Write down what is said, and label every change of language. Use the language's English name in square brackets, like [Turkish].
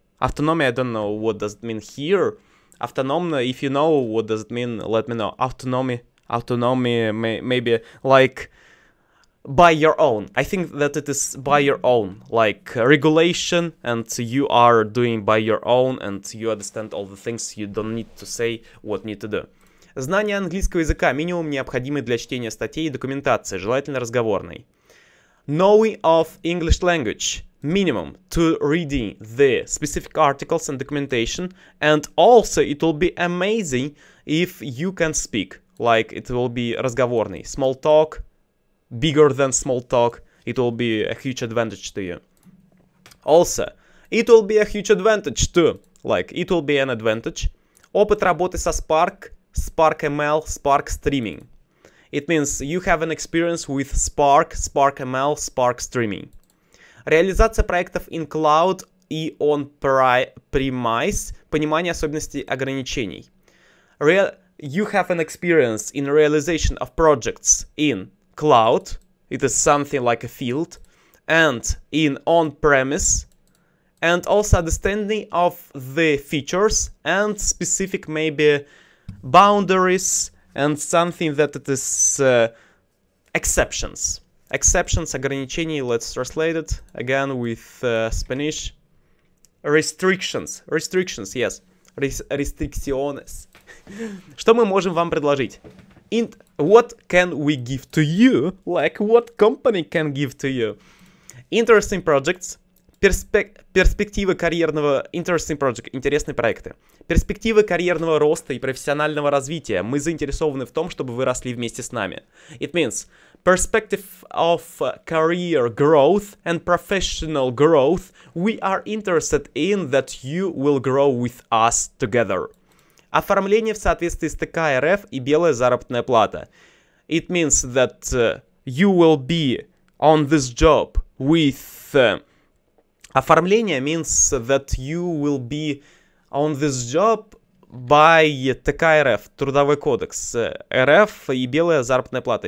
[English] Autonomy, I don't know what does it mean here. Автономно, if you know what does it mean, let me know. Autonomy. Autonomy, maybe like by your own. I think that it is by your own, like regulation, and you are doing by your own, and you understand all the things you don't need to say what need to do. [Russian] Знание английского языка минимум необходимый для чтения статей и документации, желательно разговорной. [English] Knowing of English language minimum to reading the specific articles and documentation, and also it will be amazing if you can speak, like it will be разговорный, small talk. Bigger than small talk, it will be a huge advantage to you. Also, it will be a huge advantage too. Like, it will be an advantage. [Russian] Опыт работы со Spark, Spark ML, Spark Streaming. [English] It means you have an experience with Spark, Spark ML, Spark Streaming. [Russian] Реализация проектов [English] in cloud и on premise. [Russian] Понимание особенностей ограничений. [English] You have an experience in realization of projects in cloud, it is something like a field, and in on-premise, and also understanding of the features and specific maybe boundaries and something that it is exceptions. Exceptions, ограничений, let's translate it again with Spanish. Restrictions, restrictions, yes. Restricciones. [Russian] Что мы можем вам предложить? [English] What can we give to you? Like, what company can give to you? Interesting projects. [Russian] Перспективы карьерного... [English] Interesting project. [Russian] Интересные проекты. Перспективы карьерного роста и профессионального развития. Мы заинтересованы в том, чтобы вы росли вместе с нами. [English] It means perspective of career growth and professional growth. We are interested in that you will grow with us together. [Russian] Оформление в соответствии с ТК РФ и белая заработная плата. [English] It means that you will be on this job with... [Russian] Оформление [English] means that you will be on this job by [Russian] ТК РФ, трудовой кодекс, РФ и белая заработная плата.